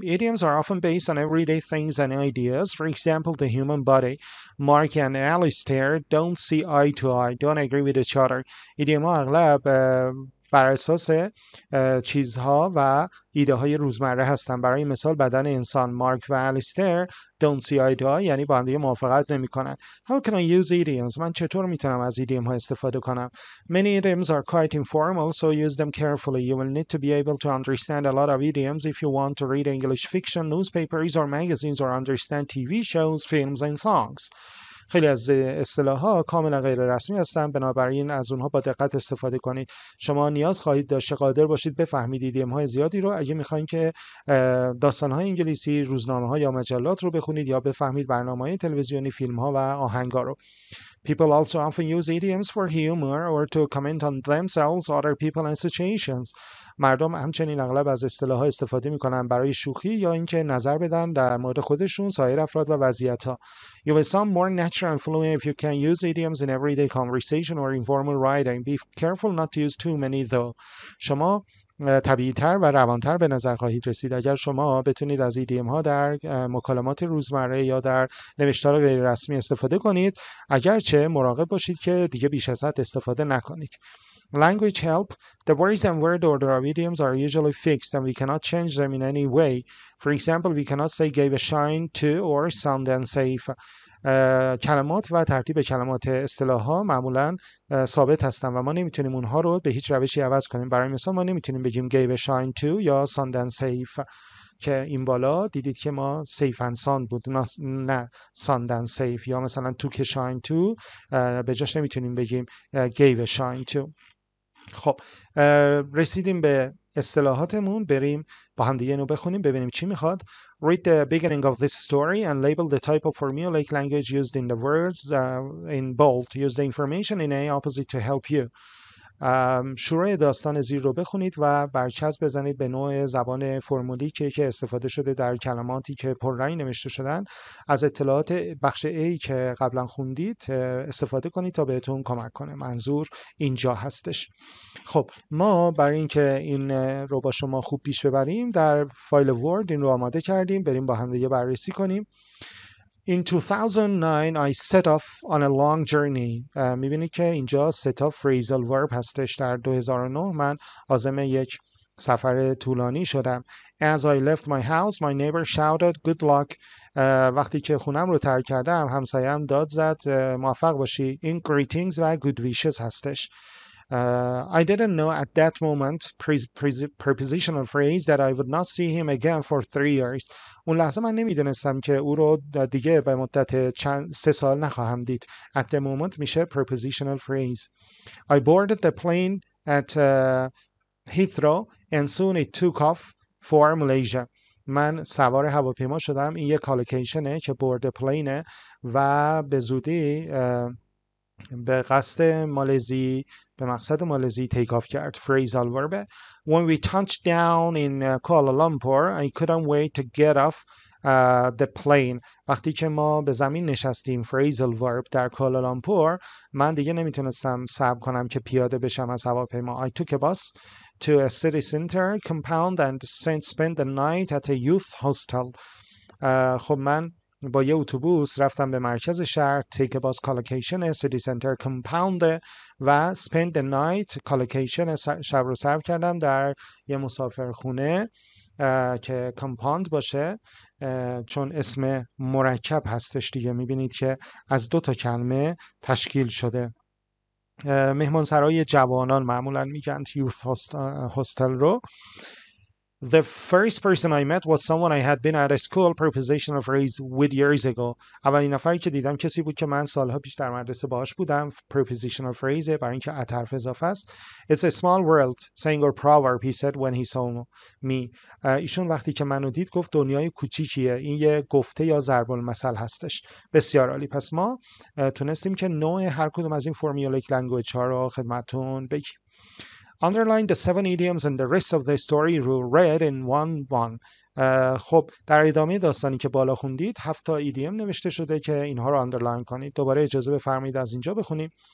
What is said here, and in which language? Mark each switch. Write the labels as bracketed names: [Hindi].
[English] Idioms are often based on everyday things and ideas. For example, the human body. Mark and Alistair don't see eye to eye. Don't agree with each other. [Persian] ایدیوم ها اغلب بر اساس چیزها و ایده های روزمره هستن. برای مثال بدن انسان، مارک و الیستر [English] don't see eye to eye، [Persian] یعنی با هم دیگه موافقت نمی کنن. [English] How can I use idioms؟ [Persian] من چطور میتونم از ایدیوم ها استفاده کنم؟ [English] Many idioms are quite informal, so use them carefully. You will need to be able to understand a lot of idioms if you want to read English fiction, newspapers or magazines or understand TV shows, films and songs. [Persian] خیلی از اصطلاح ها کاملا غیر رسمی هستن، بنابراین از اونها با دقت استفاده کنید. شما نیاز خواهید داشت قادر باشید بفهمید ایدیوم های زیادی رو اگه میخواین که داستان های انگلیسی، روزنامه ها یا مجلات رو بخونید، یا بفهمید برنامه های تلویزیونی، فیلم ها و آهنگ ها رو. [English] People also often use idioms for humor or to comment on themselves, other people and situations. [Persian] مردم همچنین اغلب از اصطلاح ها استفاده می کنن برای شوخی یا اینکه نظر بدن در مورد خودشون، سایر افراد و وضعیت ها. [English] You will sound more natural and fluent if you can use idioms in everyday conversation or informal writing. Be careful not to use too many though. [Persian] شما طبیعی تر و روانتر به نظر خواهید رسید اگر شما بتونید از ایدیوم ها در مکالمات روزمره یا در نوشتار غیر رسمی استفاده کنید، اگرچه مراقب باشید که دیگه بیش از حد استفاده نکنید. [English] Language help. The words and word order of idioms are usually fixed and we cannot change them in any way. For example, we cannot say gave a shine to or sound and safe. [Persian] کلمات و ترتیب کلمات اصطلاح ها معمولا ثابت هستن و ما نمیتونیم اونها رو به هیچ روشی عوض کنیم. برای مثال ما نمیتونیم بگیم [English] gave a shine to [Persian] یا [English] sound and safe، [Persian] که این بالا دیدید که ما [English] safe and sound [Persian] بود، نه sound and safe. یا مثلا [English] took a shine to [Persian] به جاش نمیتونیم بگیم [English] gave a shine to. [Persian] خب رسیدیم به اصطلاحاتمون، بریم با هم دیگه اینو بخونیم ببینیم چی میخواد. [English] Read the beginning of this story and label the type of formulaic language used in the words in bold. Use the information in A opposite to help you. [Persian] شروع داستان زیر رو بخونید و برچسب بزنید به نوع زبان فرمولی که استفاده شده در کلماتی که پررنگ نوشته شدن. از اطلاعات بخش A که قبلا خوندید استفاده کنید تا بهتون کمک کنه. منظور اینجا هستش. خب ما برای اینکه این رو با شما خوب پیش ببریم در فایل ورد این رو آماده کردیم، بریم با هم دیگه بررسی کنیم. [English] In 2009, I set off on a long journey. [Persian] میبینید که اینجا [English] set off phrasal verb [Persian] هستش. در 2009 من عازم یک سفر طولانی شدم. [English] As I left my house, my neighbor shouted, good luck. [Persian] وقتی که خونم رو ترک کردم، همسایه‌ام داد زد، موفق باشی. [English] In greetings و good wishes [Persian] هستش. [English] I didn't know at that moment prepositional phrase that I would not see him again for 3 years. [Persian] اون لحظه من نمیدونستم که او رو دیگه به مدت چند 3 سال نخواهم دید. [English] At the moment [Persian] میشه [English] prepositional phrase. I boarded the plane at Heathrow and soon it took off for Malaysia. [Persian] من سوار هواپیما شدم، این یک کالوکیشنه که [English] board پلینه [Persian] و به زودی به قصد مالزی، به مقصد مالزی [English] take off [Persian] کرد. فریزال وربه. [English] When we touched down in Kuala Lumpur, I couldn't wait to get off the plane. [Persian] وقتی که ما به زمین نشستیم، [English] فریزال ورب [Persian] در کوالالامپور، من دیگه نمیتونستم صبر کنم که پیاده بشم از هواپیما. [English] I took a bus to a city center compound and spent the night at a youth hostel. [Persian] خب من با یه اتوبوس رفتم به مرکز شهر، [English] take bus collocation city centre compound و spend the night collocation, [Persian] شب رو صرف کردم در یه مسافرخونه که کمپاند باشه، چون اسم مرکب هستش دیگه، میبینید که از دو تا کلمه تشکیل شده. مهمانسرای جوانان معمولا میگن [English] youth hostel [Persian] رو. [English] The first person I met was someone I had been at a school proposition of race with years ago. [Persian] اولین نفری که دیدم کسی بود که من سالها پیش در مدرسه باهاش بودم. [English] Proposition of race [Persian] برای اینکه ات حرف اضافه است. [English] It's a small world, saying or proverb, he said when he saw me. [Persian] ایشون وقتی که منو دید گفت دنیای کوچیکیه. این یه گفته یا ضرب المثل هستش. بسیار عالی. پس ما تونستیم که نوع هر کدوم از این formulaic language ها رو خدمتون بگیم. [English] Underline the seven idioms and the rest of the story you read in one. [Persian] خب در ادامه داستانی که بالا خوندید هفت تا ایدیوم نوشته شده که اینها رو اندرلاین کنید. دوباره اجازه بفرمایید از اینجا بخونیم.